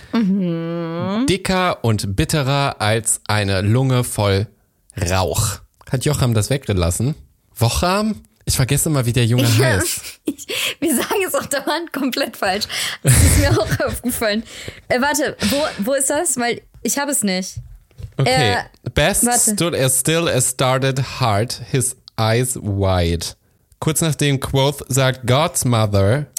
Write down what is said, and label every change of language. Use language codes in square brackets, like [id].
[de] Dicker und bitterer als eine Lunge voll Rauch. Hat Jocham das weggelassen? Wocham? Ich vergesse immer, wie der Junge heißt. Wir sagen es auch dauernd komplett falsch. Das ist mir auch aufgefallen. Warte, wo ist das? Weil ich habe es nicht. Okay. [en] Stood as still as started hard, his eyes wide. [de] Kurz nachdem Quoth sagt, [en] God's mother...